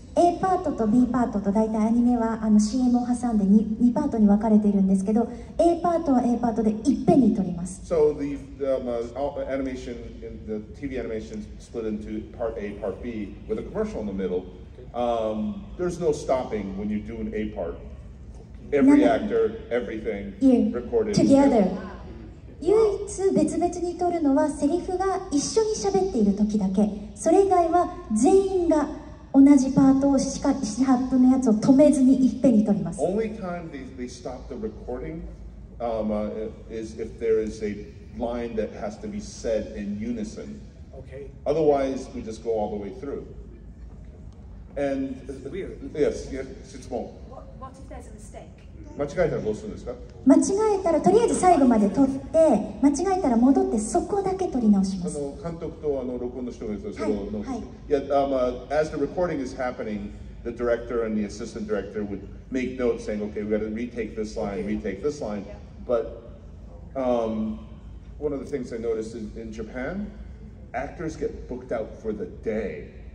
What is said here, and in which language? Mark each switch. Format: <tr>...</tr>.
<ja>A パートと B パートと大体アニメはあの CM を挟んで 2パートに分かれているんですけど A パートは A パートでいっぺんに撮ります。</ja> <en>So the animation in the TV animation split into part A, part B with a commercial in the middle. There's no stopping when you do an A part. Every actor, everything recorded together.</en> <ja>唯一別々に撮るのはセリフが一緒に喋っている時だけ。それ以外は全員が同じパートを4ハップのやつを止めずにいっぺんに撮ります。</ja> <en>Only time they stop the recording is if there is a line that has to be said in unison. Okay. Otherwise, we just go all the way through. And it's weird. Yes, it's small. What if there's a mistake?</en> <ja>間違えたらどうするんですか？間違えたらとりあえず最後まで撮って、間違えたら戻ってそこだけ撮り直します。あの監督とあの録音の人がいるんですけど、はい。</ja> <en>As the recording is happening, the director and the assistant director would make notes saying, okay, we've got to retake this line, retake this line. But one of the things I noticed in Japan, actors get booked out for the day.</en>